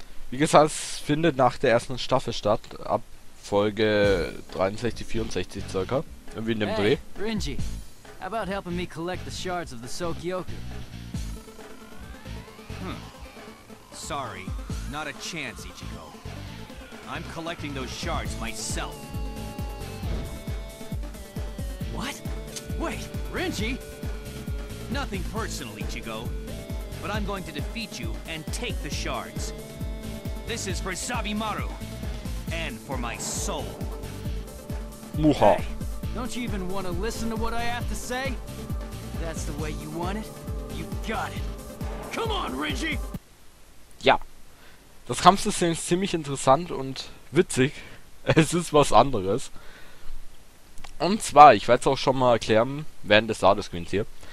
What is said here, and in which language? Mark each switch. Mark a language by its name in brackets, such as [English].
[German] Wie gesagt, es findet nach der ersten Staffel statt, ab Folge 63, 64 circa, irgendwie in dem Dreh. [English] Hey, Rinji, how about helping me collect the shards of the Sokyoku? Sorry, not a chance, Ichigo. I'm collecting those shards myself. What? Wait, Rinji! Nothing personal, Ichigo. But I'm going to defeat you and take the shards. This is for Sabimaru. And for my soul. Muha. Hey, don't you even want to listen to what I have to say? If that's the way you want it, you got it. Come on, Rinji! [German] Ja. Das Kampfsystem ist ziemlich interessant und witzig. Es ist was anderes. Und zwar, ich werde es auch schon mal erklären, während des Ladescreens hier.